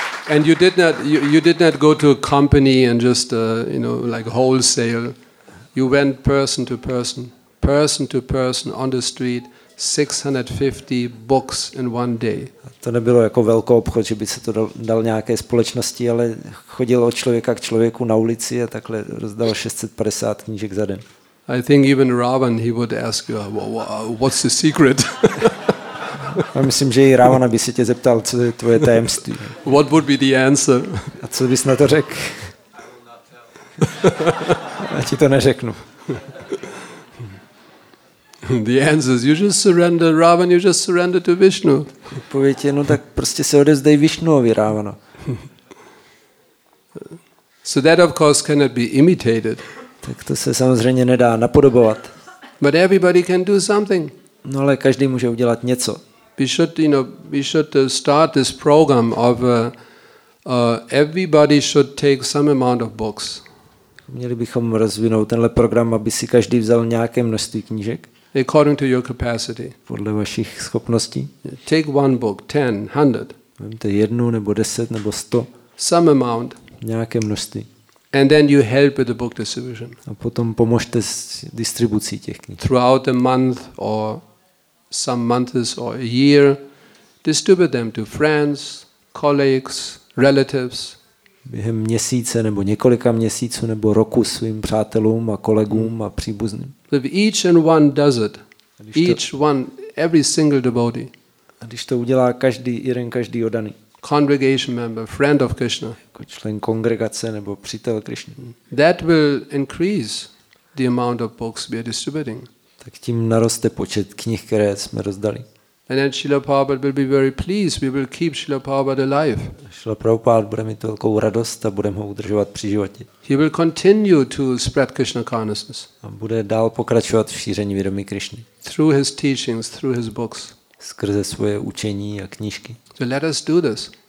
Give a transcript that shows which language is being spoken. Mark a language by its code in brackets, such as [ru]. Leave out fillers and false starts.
[en] And you did not go to a company and just you know, like wholesale. You went person to person on the street. 650 books in one day. [cs] To nebylo jako velký obchod, že by se to dal nějaké společnosti, ale chodil od člověka k člověku na ulici a takhle rozdal 650 knížek za den. [en] I think even Ravan, he would ask you, what's the secret? [cs] A myslím, že i Ravana by se tě zeptal, co je tvoje tajemství. [en] What would be the answer? [cs] A co bys na to řekl? Já ti to neřeknu. [en] The answer is, you just surrender, Ravan, you just surrender to Vishnu. [cs] Pověď je, no tak prostě se odezdej Vishnuovi, Ravana. [en] So that of course cannot be imitated. [cs] Tak to se samozřejmě nedá napodobovat. [en] But everybody can do something. [cs] No ale každý může udělat něco. [en] We should start this program of everybody should take some amount of books. [cs] Měli bychom rozvinout tenhle program, aby si každý vzal nějaké množství knížek. [en] according to your capacity. [cs] Podle vašich schopností. [en] Take one book, 10, 100. [cs] Vemte jednu nebo 10 nebo 100. [en] Some amount. [cs] Nějaké množství. [en] And then you help with the book distribution. [cs] A potom pomozte s distribucí těch knih. [en] Throughout a month or some months or a year, distribute them to friends, colleagues, relatives. [cs] Během měsíce nebo několika měsíců nebo roku svým přátelům a kolegům a příbuzným. [en] If each and one does it, each one, every single devotee. [cs] A když to udělá každý jeden, každý oddaný. [en] Congregation member, friend of Krishna. [cs] Jako člen kongregace nebo přítel Krishna. [en] That will increase the amount of books we are distributing. [cs] Tak tím naroste počet knih, které jsme rozdali. [en] And then Srila Prabhupada will be very pleased. We will keep Srila Prabhupada alive. [cs] Srila Prabhupada bude mít velkou radost a budeme ho udržovat při životě. [en] He will continue to spread Krishna consciousness. [cs] A bude dál pokračovat v šíření vědomí Krishny. [en] Through his teachings, through his books. [cs] Skrze svoje učení a knížky. [en] So let us do this.